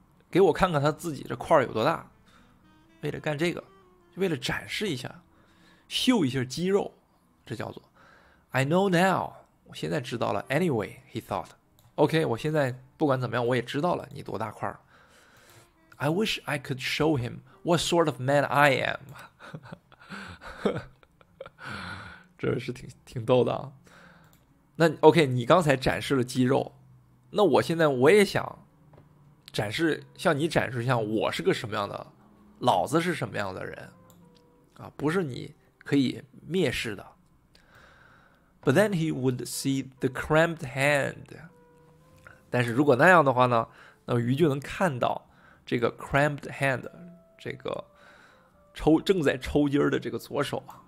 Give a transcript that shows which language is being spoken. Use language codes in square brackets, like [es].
[zh] 给我看看他自己这块有多大。为了干这个。为了展示一下，秀一下肌肉，这叫做 [en] I know now. [zh] 我现在知道了。 [en] Anyway, he thought. [zh] OK, 我现在不管怎么样，我也知道了你多大块。 [en] I wish I could show him what sort of man I am. [zh] 这是挺逗的啊。那 OK, 你刚才展示了肌肉，那我现在我也想展示，向你展示一下我是个什么样的，老子是什么样的人。啊，不是你可以蔑视的。 [en] But then he would see the cramped hand. [zh] 但是如果那样的话呢，那鱼就能看到这个 [en] cramped hand, [zh] 这个正在抽筋的这个左手。